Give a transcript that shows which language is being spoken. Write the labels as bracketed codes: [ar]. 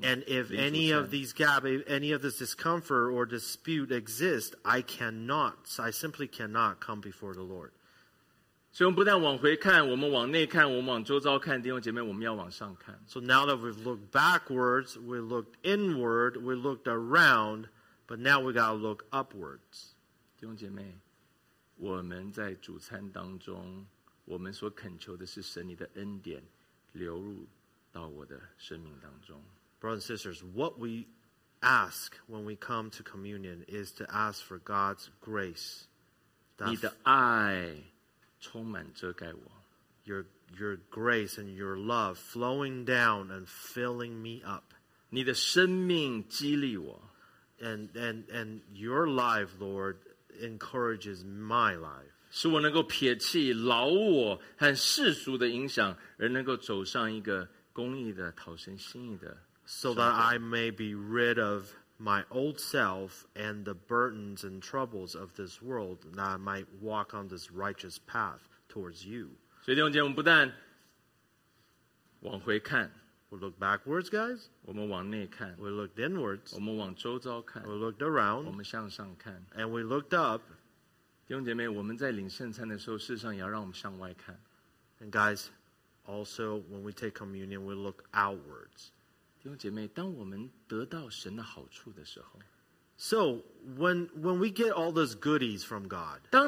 [en] And if any of these gaps, any of this discomfort or dispute exists, I simply cannot come before the Lord. [zh] 所以我们不但往回看，我们往内看，我们往周遭看，弟兄姐妹，我们要往上看。 [en] So now that we've looked backwards, we looked inward, we looked around, but now we got to look upwards. [zh] 弟兄姐妹。我们在主餐当中，我们所恳求的是神你的恩典流入到我的生命当中。Brothers [en] and sisters, what we ask when we come to communion is to ask for God's grace. [zh] 你的爱充满遮盖我。 [en] your grace and your love flowing down and filling me up. [zh] 你的生命激励我。 [en] And your life, Lord, encourages my life. [zh] 使我能够撇弃老我和世俗的影响，而能够走上一个公义的、讨神心意的。 [en] So that I may be rid of my old self and the burdens and troubles of this world, that I might walk on this righteous path towards you. [zh] 所以弟兄姐妹，我们不但往回看。 [en] We look backwards, guys. [zh] 我们往内看, [en] we looked inwards. [zh] 我们往周遭看, [en] we looked around. [zh] 我们向上看, [en] and we looked up. [zh] 弟兄姐妹, 我们在领圣餐的时候, 事实上也要让我们向外看, [en] and guys, also, when we take communion, we look outwards. [zh] 弟兄姐妹, 当我们得到神的好处的时候, [en] so, when we get all those goodies from God,